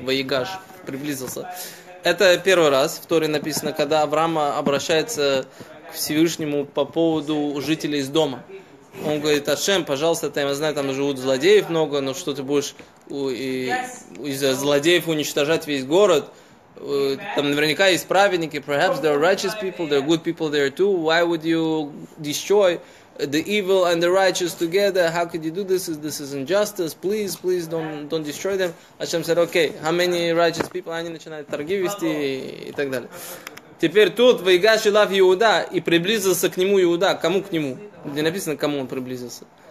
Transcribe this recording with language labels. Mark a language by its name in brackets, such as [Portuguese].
[Russian] Ваигаш приблизился. Это первый раз в Торе написано, когда Авраам обращается к Всевышнему по поводу жителей из дома. Он говорит, Ашем, пожалуйста, я знаю, там живут злодеев много, но что ты будешь из-за злодеев уничтожать весь город? Там наверняка есть праведники, [English] perhaps there are righteous people, there are good people there too. Why would you destroy the evil and the righteous together? How could you do this? This is injustice. Please don't destroy them. Ашем said, okay, how many righteous people? [Russian] Они начинают торги вести и так далее. Теперь тут Ваигаш Илав Иуда, и приблизился к нему Иуда. Кому к нему? Где написано, кому он приблизился?